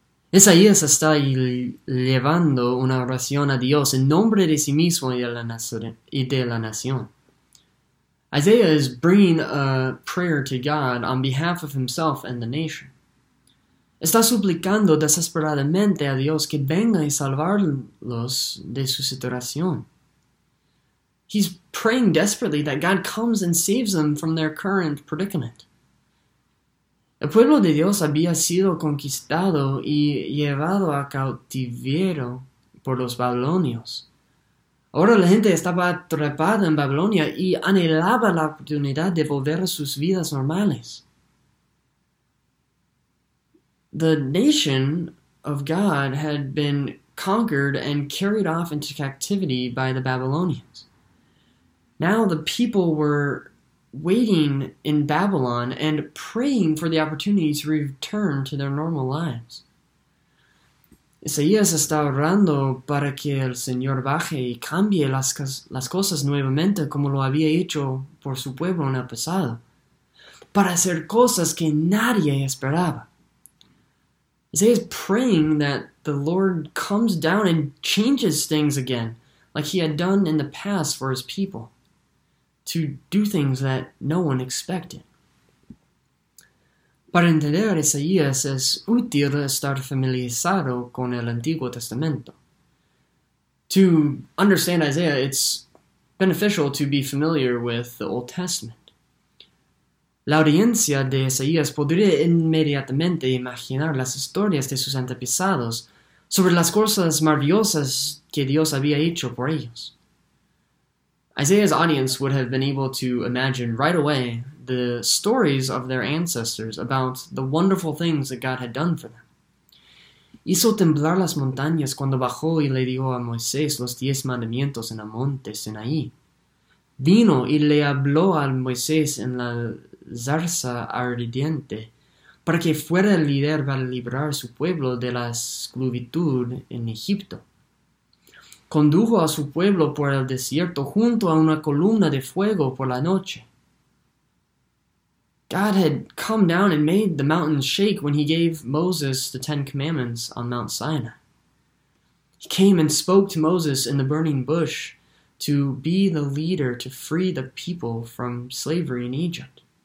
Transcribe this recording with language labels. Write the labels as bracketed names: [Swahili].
[Spanish] Isaías está llevando una oración a Dios en nombre de sí mismo y de la nación. [English] Isaiah is bringing a prayer to God on behalf of himself and the nation. [Spanish] Está suplicando desesperadamente a Dios que venga y salvarlos de su situación. [English] He's praying desperately that God comes and saves them from their current predicament. [Spanish] El pueblo de Dios había sido conquistado y llevado a cautiverio por los babilonios. Ahora la gente estaba atrapada en Babilonia y anhelaba la oportunidad de volver a sus vidas normales. [English] The nation of God had been conquered and carried off into captivity by the Babylonians. Now the people were waiting in Babylon and praying for the opportunity to return to their normal lives. [Spanish] Isaías está orando para que el Señor baje y cambie las cosas nuevamente como lo había hecho por su pueblo en el pasado, para hacer cosas que nadie esperaba. [English] Isaiah is praying that the Lord comes down and changes things again, like he had done in the past for his people, to do things that no one expected. [Spanish] Para entender Isaías es útil estar familiarizado con el Antiguo Testamento. [English] To understand Isaiah, it's beneficial to be familiar with the Old Testament. [Spanish] La audiencia de Isaías podría inmediatamente imaginar las historias de sus antepasados sobre las cosas maravillosas que Dios había hecho por ellos. [English] Isaiah's audience would have been able to imagine right away the stories of their ancestors about the wonderful things that God had done for them. [Spanish] Hizo temblar las montañas cuando bajó y le dio a Moisés los 10 mandamientos en el monte Sinaí. Vino y le habló a Moisés en la zarza ardiente para que fuera el líder para librar su pueblo de la esclavitud en Egipto. condujo a su pueblo por el desierto junto a una columna de fuego por la noche. [English] God had come down and made the mountain shake when he gave Moses the Ten Commandments on Mount Sinai. He came and spoke to Moses in the burning bush to be the leader to free the people from slavery in Egypt.